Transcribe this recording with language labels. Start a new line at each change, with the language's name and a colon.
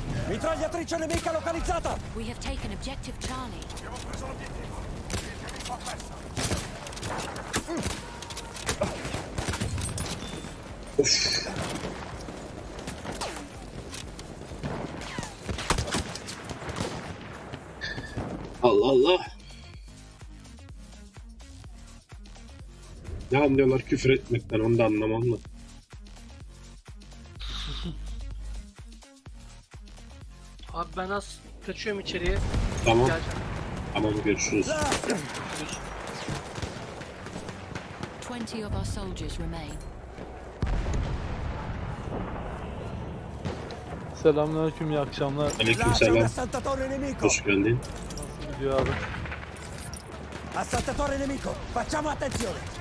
Italian: Mitragliatrice nemica localizzata.
English: We have taken objective Charlie.
Turkish: Allah. Ne anlıyorlar küfür etmekten, onu da anlamam mı? Abi ben az kaçıyorum içeriye. Tamam. Gel. Tamam, görüşürüz.
English: 20 of our soldiers remain.
Turkish: Selamünaleyküm, iyi akşamlar. Aleykümselam. Hoş geldin.
Italian: Assaltatore nemico, facciamo attenzione.